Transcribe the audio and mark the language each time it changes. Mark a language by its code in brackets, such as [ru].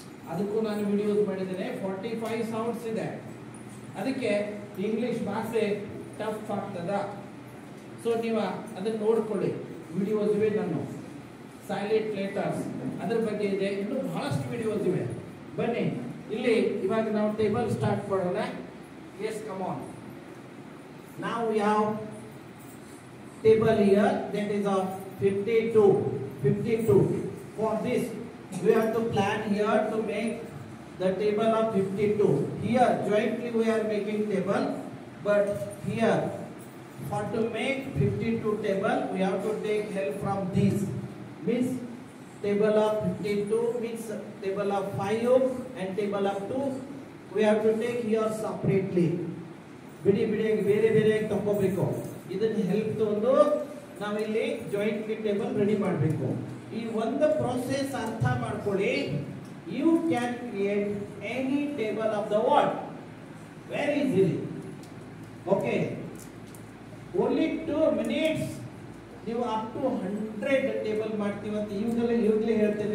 [kn] ಅದಕ್ಕೂ ನಾನು ವಿಡಿಯೋಸ್ ಮಾಡಿದ್ದೇನೆ, 45 ಸೌಂಡ್ಸ್ ಇದೆ. ಅದಕ್ಕೆ ಇಂಗ್ಲಿಷ್ ಭಾಷೆ ಟಫ್ ಆಗ್ತದ. ಸೊ ನೀವು ಅದನ್ನು ನೋಡ್ಕೊಳ್ಳಿ, ವಿಡಿಯೋಸ್ ಇವೆ ನಾನು ಸೈಲೆಂಟ್ ಲೆಟರ್ಸ್ ಅದ್ರ ಬಗ್ಗೆ ಇದೆ, ಇನ್ನೂ ಬಹಳಷ್ಟು ವಿಡಿಯೋಸ್ ಇವೆ. ಬನ್ನಿ ಇಲ್ಲಿ ಇವಾಗ ನಾವು ಟೇಬಲ್ ಸ್ಟಾರ್ಟ್ ಮಾಡೋಣ. [en] Yes come on. Now we have table here, that is of 52. For this, we have to plan here to make the table of 52. Here, jointly we are making table, but here, for to make 52 table, we have to take help from this. Means table of 52, means table of 5 and table of 2, we have to take here separately. [kn] ಬಿಡಿ ಬಿಡಿ ಆಗಿ ಬೇರೆ ಬೇರೆ ಆಗಿ ತಕ್ಕೋಬೇಕು. ಇದನ್ನ help ತಗೊಂಡು ನಾವಿಲ್ಲಿ joint table ready ಮಾಡಬೇಕು. ಈ ಒಂದು ಪ್ರೊಸೆಸ್ ಅರ್ಥ ಮಾಡ್ಕೊಳ್ಳಿ. [en] You can create any table of the world very easily. Okay, only 2 minutes. [kn] ನೀವು ಅಪ್ ಟು 100 ಟೇಬಲ್ ಮಾಡ್ತೀವಿ ಅಂತ ಈಗಲೇ ಹೇಳ್ತೀನಿ.